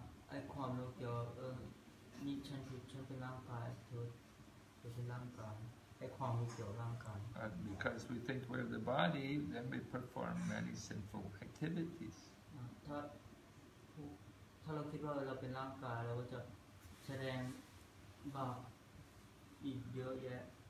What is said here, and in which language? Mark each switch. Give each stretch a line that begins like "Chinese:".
Thai: ไอ้ความรู้เกี่ยวนี่ฉันถูกฉันเป็นร่างกายเธอเป็นร่างกายไอ้ความรู้เกี่ยวร่างกาย
English: Because we think we're the body, then we perform many sinful activities.
Thai: ถ้าเราคิดว่าเราเป็นร่างกายเราก็จะแสดงบาปอีกเยอะแยะ